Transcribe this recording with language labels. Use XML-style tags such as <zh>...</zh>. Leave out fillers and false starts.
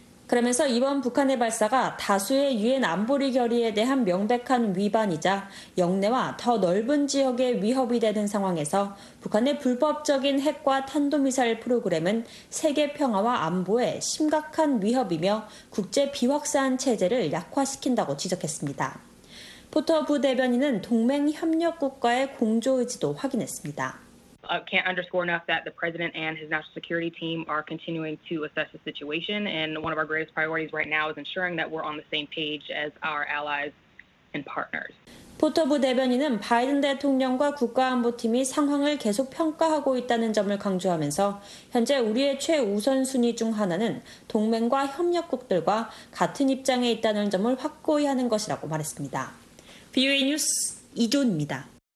<ko>그러면서 이번 북한의 발사가 다수의 유엔 안보리 결의에 대한 명백한 위반이자 영내와 더 넓은 지역에 위협이 되는 상황에서 북한의 불법적인 핵과 탄도미사일 프로그램은 세계 평화와 안보에 심각한 위협이며 국제 비확산 체제를 약화시킨다고 지적했습니다. 포터 부 대변인은 동맹 협력 국가의 공조 의지도 확인했습니다.</ko> <en>Can't underscore enough that the president and his national security team are continuing to assess the situation. And one of our greatest priorities right now is ensuring that we're on the same page as our allies and partners.</en> <ko>포터 부 대변인은 바이든 대통령과 국가안보팀이 상황을 계속 평가하고 있다는 점을 강조하면서 현재 우리의 최우선순위 중 하나는 동맹과 협력국들과 같은 입장에 있다는 점을 확고히 하는 것이라고 말했습니다. VOA 뉴스 이조은입니다.</ko>